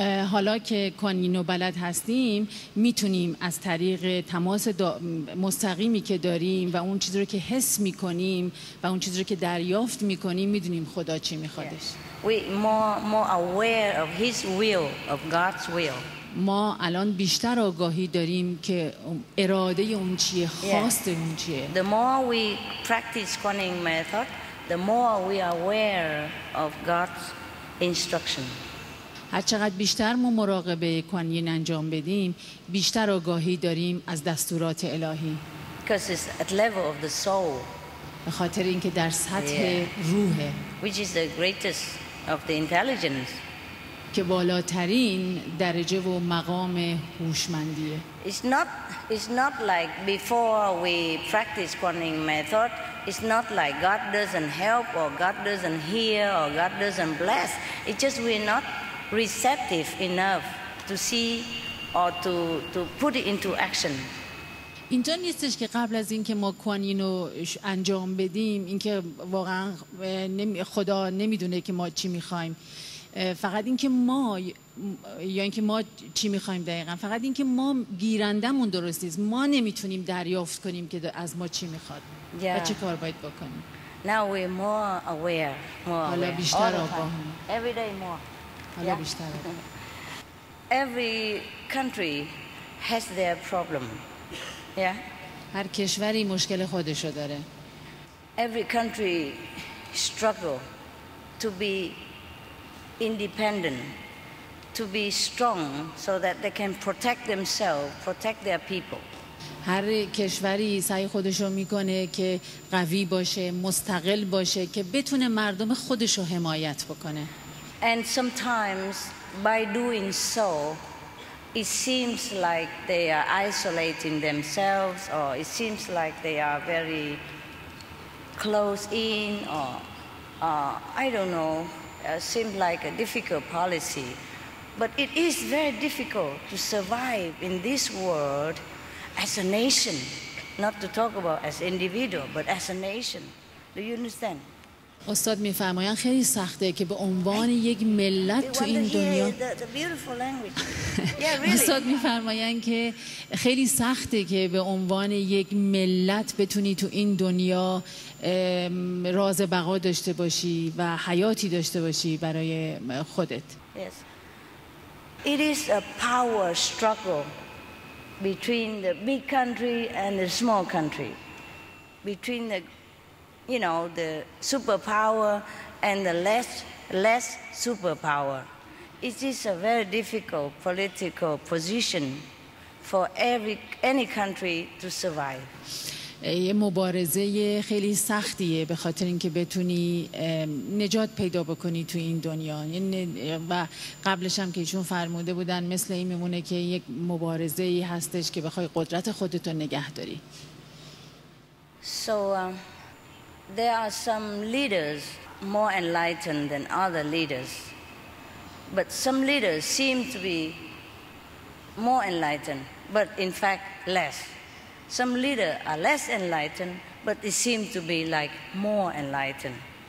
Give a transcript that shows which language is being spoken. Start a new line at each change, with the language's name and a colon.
Persian: حالا که کوانینو بلد هستیم میتونیم از طریق تماس مستقیمی که داریم و اون چیزی رو که حس میکنیم و اون چیزی رو که دریافت میکنیم میدونیم خدا چی میخوادش.
English: We more aware of His will, of God's will.
Persian: ما الان بیشتر آگاهی داریم که اراده اون چیه، خواست اون چیه.
English: The more we practice Kuan Yin method, the more we are aware of God's instruction.
Persian: هر چقدر بیشتر ما مراقبه کوانین انجام بدیم بیشتر آگاهی داریم از دستورات الهی.
English: Because it's at level of the soul.
Persian: به خاطر اینکه در سطح روحه.
English: Which is the greatest of the intelligence.
Persian: که بالاترین درجه و مقام هوشمندیه.
English: It's not like before we practice Kuan Yin method. It's not like God doesn't help or God doesn't hear or God doesn't bless. It's just we're not receptive enough to see or to put it into action.
Persian: اینجا نیستش که قبل از اینکه ما کوانینو انجام بدیم اینکه واقعا خدا نمیدونه که ما چی میخوایم. فقط اینکه ما یا اینکه ما چی میخوایم دقیقا، فقط اینکه ما گیرندمون درست نیست، ما نمیتونیم دریافت کنیم که از ما چی میخواد و چه کار باید بکنیم.
English: Now we're more aware.
Persian: حالا بیشتر آگاه.
English: Every day more.
Persian: حالا بیشتر.
English: Every country has their problem. Yeah.
Persian: هر کشوری مشکل خودشو داره.
English: Every country struggle to be independent, to be strong so that they can protect themselves, protect their people.
Persian: هر کشوری سعی خودشو میکنه که قوی باشه، مستقل باشه که بتونه مردم خودشو حمایت بکنه.
English: And sometimes by doing so it seems like they are isolating themselves or it seems like they are very close in or I don't know. Seemed like a difficult policy, but it is very difficult to survive in this world as a nation, not to talk about as individual, but as a nation. Do you understand?
Persian: استاد میفرمایند خیلی سخته که به عنوان یک ملت تو این دنیا. استاد میفرمایند که خیلی سخته که به عنوان یک ملت بتونی تو این دنیا راز بقا داشته باشی و حیاتی داشته باشی برای خودت.
English: Yes. It is a power struggle between the big country and the small country. Between the the superpower and the less superpower. It is a very difficult political position for every any country to survive.
Persian: یه مبارزه خیلی سختیه به خاطر اینکه بتونی نجات پیدا بکنی تو این دنیا و قبلش هم که ایشون فرموده بودن مثل این میمونه که یک مبارزه ای هستش که بخوای قدرت خودتو نگه داری.
English: So there are some leaders more enlightened than other leaders, but some leaders seem to be more enlightened, but in fact less. Some leaders are less enlightened, but they seem to be like more enlightened.